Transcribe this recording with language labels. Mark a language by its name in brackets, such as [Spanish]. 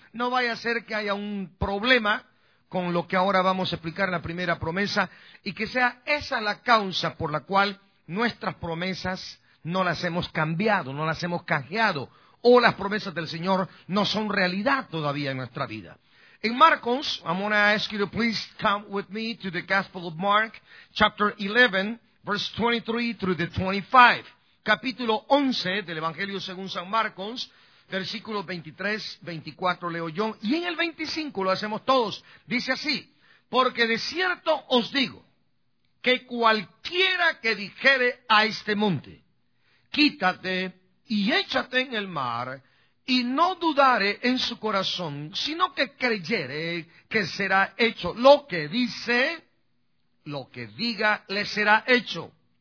[Spanish] No vaya a ser que haya un problema con lo que ahora vamos a explicar en la primera promesa, y que sea esa la causa por la cual nuestras promesas no las hemos cambiado, no las hemos canjeado, o las promesas del Señor no son realidad todavía en nuestra vida. [English] En Marcos, I'm going to ask you to please come with me to the Gospel of Mark, chapter 11, verse 23 through the 25. [Spanish] Capítulo 11 del Evangelio según San Marcos, versículos 23, 24 leo yo, y en el 25 lo hacemos todos. Dice así: porque de cierto os digo que cualquiera que dijere a este monte, quítate y échate en el mar, y no dudare en su corazón, sino que creyere que será hecho lo que dice, lo que diga le será hecho.